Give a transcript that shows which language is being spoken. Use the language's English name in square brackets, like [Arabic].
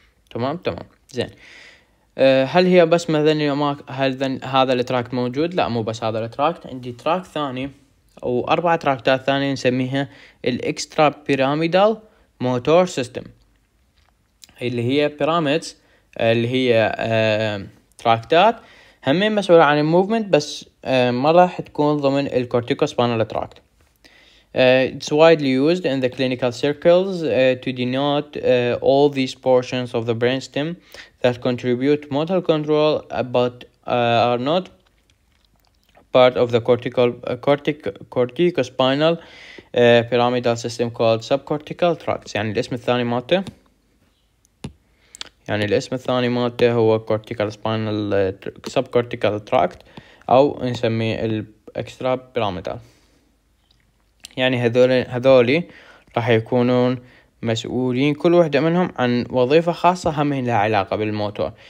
[Arabic] تمام تمام زين. هل هي بس مثلا هل هذا التراك موجود؟ لا مو بس هذا التراك، عندي تراك ثاني أو أربعة تراكتات ثانية نسميها الإكسترا بيراميدال موتور سيستم، اللي هي بيراميدز، اللي هي تراكتات هم مسؤولة عن الموفمنت، بس ما راح تكون ضمن الكورتيكو سبانال تراكت. [English] It's widely used in the clinical circles to denote all these portions of the brainstem that contribute motor control but are not part of the corticospinal pyramidal system called subcortical tracts. [Arabic] يعني الاسم الثاني مالته، يعني الاسم الثاني مالته هو كورتيكال سبينال سب كورتيكال تراكت، او نسميه الاكسترا بيراميدال. يعني هذولي راح يكونون مسؤولين كل وحده منهم عن وظيفه خاصه هم لها علاقه بالموتور.